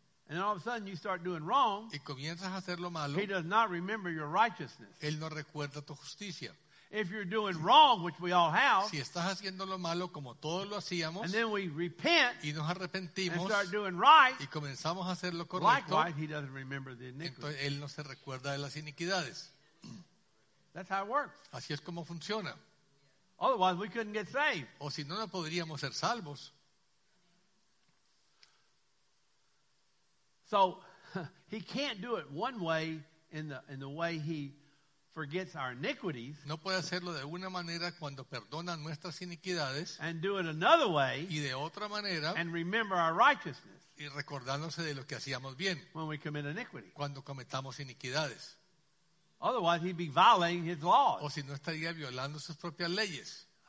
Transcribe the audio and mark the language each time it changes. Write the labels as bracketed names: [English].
[English] and all of a sudden you start doing wrong, [Spanish] y comienzas a hacer lo malo, [English] he does not remember your righteousness. [Spanish] Él no recuerda tu justicia. [English] If you're doing wrong, which we all have, [Spanish] si estás haciendo lo malo como todos lo hacíamos, [English] and then we repent, [Spanish] y nos arrepentimos, [English] and start doing right, [Spanish] y comenzamos a hacer lo correcto, [English] likewise, he doesn't remember the iniquity. [Spanish] Entonces él no se recuerda de las iniquidades. [English] That's how it works. [Spanish] Así es como funciona. [English] Otherwise, we couldn't get saved. [Spanish] O si no, no podríamos ser salvos. [English] So he can't do it one way in the way he forgets our iniquities. [Spanish] No puede hacerlo de una manera cuando perdona nuestras iniquidades. [English] And do it another way. [Spanish] Y de otra manera. [English] And remember our righteousness. [Spanish] Y recordándose de lo que hacíamos bien. [English] When we commit iniquity. [Spanish] Cuando cometamos iniquidades. [English] Otherwise, he'd be violating his laws. [Spanish] O si no, estaría violando sus propias leyes.